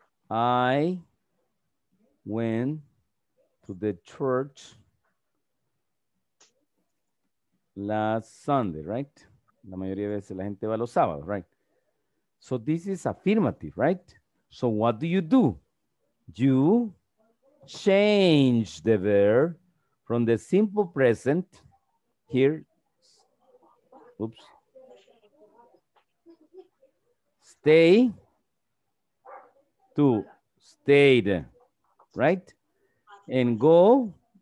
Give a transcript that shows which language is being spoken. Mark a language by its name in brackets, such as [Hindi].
[English] I went to the church last Sunday, right? [Spanish] La mayoría de veces la gente va los sábados, right? [English] So this is affirmative, right? So what do? You change the verb from the simple present here. Oops. Stay to stayed, right? And go